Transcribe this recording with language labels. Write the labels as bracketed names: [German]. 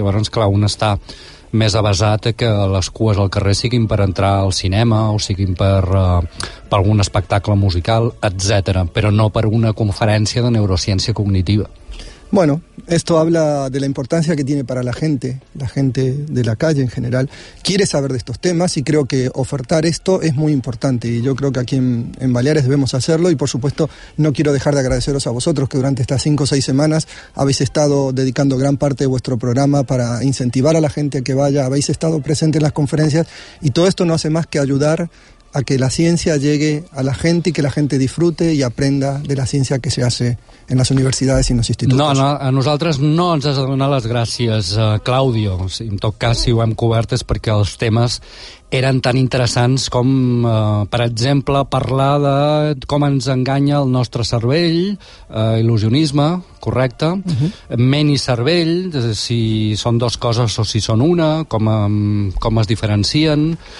[Catalan] Llavors, clar, un està més avesat que les cues al carrer siguin per entrar al cinema o siguin per algun espectacle musical, etc., però no per una conferència de neurociència cognitiva. [Spanish] Bueno, esto habla de la importancia que tiene para la gente de la calle en general, quiere saber de estos temas y creo que ofertar esto es muy importante y yo creo que aquí en Baleares debemos hacerlo y por supuesto no quiero dejar de agradeceros a vosotros que durante estas 5 o 6 semanas habéis estado dedicando gran parte de vuestro programa para incentivar a la gente a que vaya, habéis estado presente en las conferencias y todo esto no hace más que ayudar a que la ciencia llegue a la gente y que la gente disfrute y aprenda de la ciencia que se hace en las universidades y en los institutos. [Catalan] No, no, a nosaltres no ens has de donar les gràcies, Claudio. En tot cas, si ho hem cobert és perquè els temes eren tan interessants com, per exemple, parlar de com ens enganya el nostre cervell, il·lusionisme, correcte, ment i cervell, si són dos coses o si són una, com es diferencien.